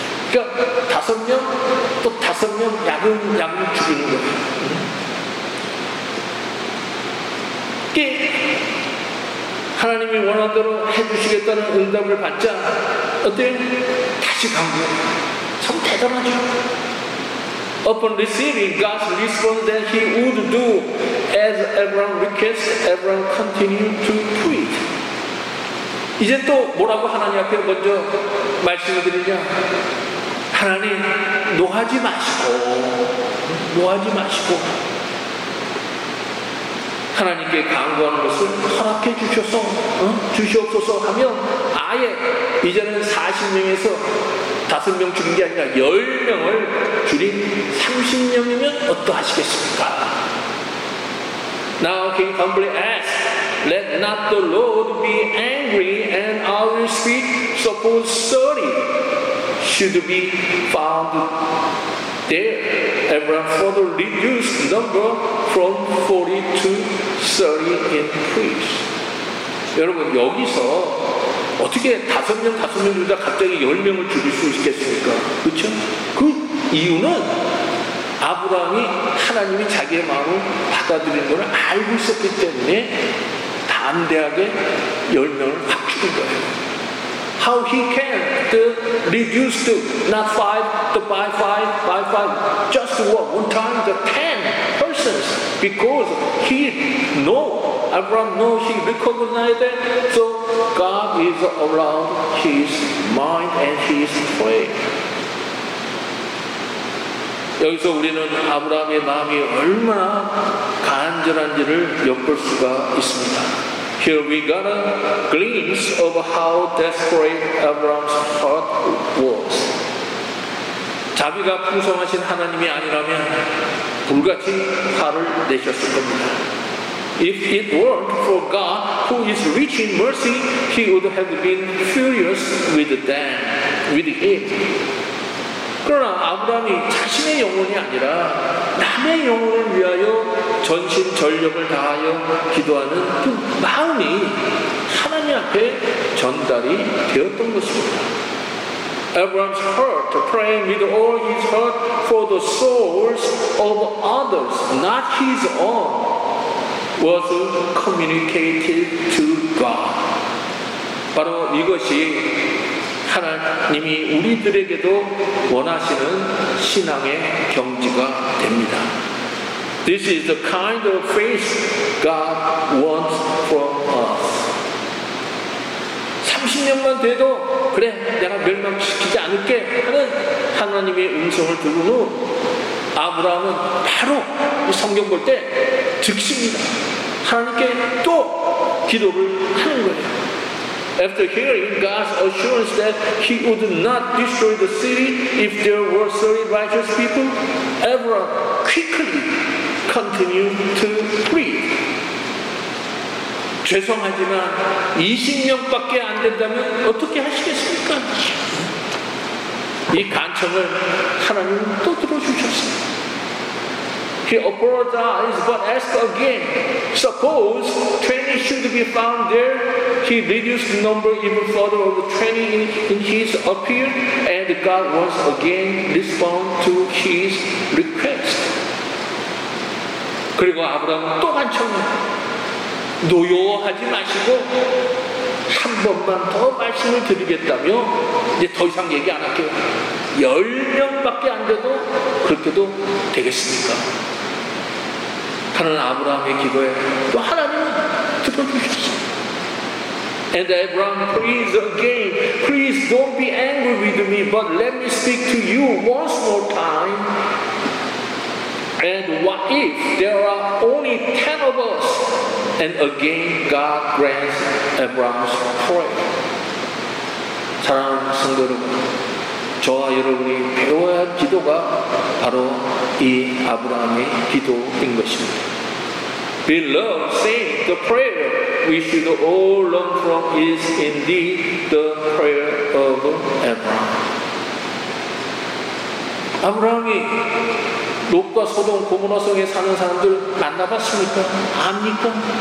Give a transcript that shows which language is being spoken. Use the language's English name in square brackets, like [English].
[Korean] 그러니까 다섯 명 또 다섯 명 야금야금 줄이는 거예요. 이게 하나님이 원한 대로 해주시겠다는 응답을 받자 어때요? 다시 강구해요. 참 대단하죠. [English] Upon receiving God's response that he would do as Abraham requested, Abraham continued to plead. [Korean] 이제 또 뭐라고 하나님 앞에 먼저 말씀을 드리냐. 하나님, 노하지 마시고, 노하지 마시고, 하나님께 간구하는 것을 허락해 주셔서, 주시옵소서 하면 아예 이제는 40명에서 5명 줄인 게 아니라 10명을 줄인 30명이면 어떠하시겠습니까? [English] Now King humbly asks, Let not the Lord be angry and I will speak. Suppose 30 should be found there. Abraham further reduced the number from 40 to 30 increase. [Korean] 여러분 여기서 어떻게 5명 줄다 갑자기 10명을 줄일 수 있겠습니까? 그렇죠? 그 이유는 아브라함이 하나님이 자기의 마음을 받아들인 걸 알고 있었기 때문에 담대하게 10명을 확충한 거예요. [English] How he can reduce to not five, the by five, just one time, the 10 persons, because he know, Abraham know, he recognized it, so God is around his mind and his way. [Korean] 여기서 우리는 아브라함의 마음이 얼마나 간절한지를 엿볼 수가 있습니다. [English] Here we got a glimpse of how desperate Abraham's heart was. [Korean] 자비가 풍성하신 하나님이 아니라면 불같이 화를 내셨을 겁니다. [English] If it weren't for God who is rich in mercy, he would have been furious with them, with it. [Korean] 그러나 아브라함이 자신의 영혼이 아니라 남의 영혼을 위하여 전심전력을 다하여 기도하는 그 마음이 하나님 앞에 전달이 되었던 것입니다. [English] Abraham's heart praying with all his heart for the souls of others, not his own, was communicated to God. [Korean] 바로 이것이 하나님이 우리들에게도 원하시는 신앙의 경지가 됩니다. [English] This is the kind of faith God wants from us. [Korean] 20년만 돼도 그래 내가 멸망시키지 않을게 하는 하나님의 음성을 들으므로 아브라함은 바로 이 성경 볼 때 즉시입니다. 하나님께 또 기도를 하는 거예요. [English] After hearing God's assurance that he would not destroy the city if there were 30 righteous people, Abraham quickly continued to plead. [Korean] 죄송하지만 20명밖에 안 된다면 어떻게 하시겠습니까? 이 간청을 하나님은 또 들어주셨습니다. [English] He apologized but asked again, suppose 20 should be found there, he reduced the number even further of the 20 in his appeal, and God once again responded to his request. [Korean] 그리고 아브라함은 또 간청을 노여워하지 마시고 한 번만 더 말씀을 드리겠다며 이제 더 이상 얘기 안 할게요. 10명밖에 안 돼도 그렇게도 되겠습니까? 하는 아브라함의 기도에 또 하나님은 [English] And Abraham prays again, please don't be angry with me, but let me speak to you once more time. And what if there are only 10 of us? And again, God grants Abraham's prayer. [Korean] 사랑하는 성도 여러분, 저와 여러분이 배워야 할 기도가 바로 이 아브라함의 기도인 것입니다. [English] Beloved saint, the prayer we should all learn from is indeed the prayer of Abraham. [Korean] Abraham이 롯과 소돔, 고모라 속에 사는 사람들 만나봤습니까? 압니까?